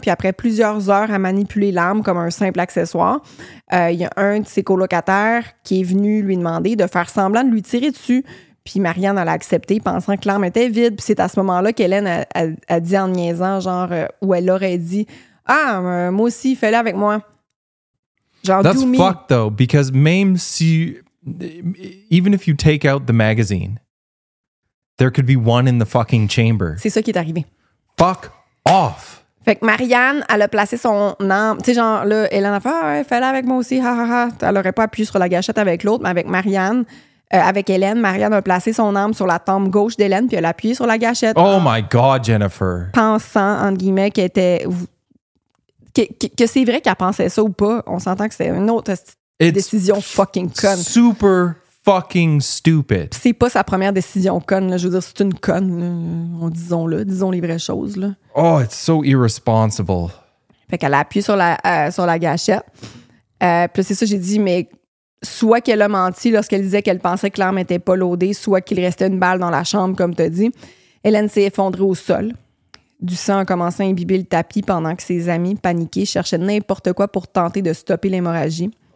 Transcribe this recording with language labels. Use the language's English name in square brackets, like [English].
[French] Puis après plusieurs heures à manipuler l'arme comme un simple accessoire, il y a un de ses colocataires qui est venu lui demander de faire semblant de lui tirer dessus. Puis Marianne, elle a accepté, pensant que l'arme était vide. Puis c'est à ce moment-là qu'Hélène a dit en niaisant, genre, où elle aurait dit... « Ah, moi aussi, fais-le avec moi. » [English] Genre, that's fucked, though, because [French] même si... [English] Even if you take out the magazine, there could be one in the fucking chamber. [French] C'est ça qui est arrivé. [English] Fuck off! [French] Fait que Marianne, elle a placé son arme... Tu sais, genre, là, Hélène a fait « Ah, ouais, fais-le avec moi aussi, ha, ha, ha. » Elle n'aurait pas appuyé sur la gâchette avec l'autre, mais avec Marianne, avec Hélène, Marianne a placé son arme sur la tempe gauche d'Hélène, puis elle a appuyé sur la gâchette. [English] Oh my God, Jennifer! [French] Pensant, entre guillemets, qu'elle était... Que c'est vrai qu'elle pensait ça ou pas, on s'entend que c'est une autre décision fucking conne. [English] Super fucking stupid. [French] Pis c'est pas sa première décision conne. Là. Je veux dire, c'est une conne, là. Disons-le, disons les vraies choses. Là. [English] Oh, it's so irresponsible. [French] Fait qu'elle a appuyé sur la gâchette. Puis c'est ça, j'ai dit, mais soit qu'elle a menti lorsqu'elle disait qu'elle pensait que l'arme était pas loadée, soit qu'il restait une balle dans la chambre, comme t'as dit. Hélène s'est effondrée au sol. Du sang a commencé à imbiber le tapis pendant que ses amis, paniqués, cherchaient n'importe quoi pour tenter de stopper l'hémorragie.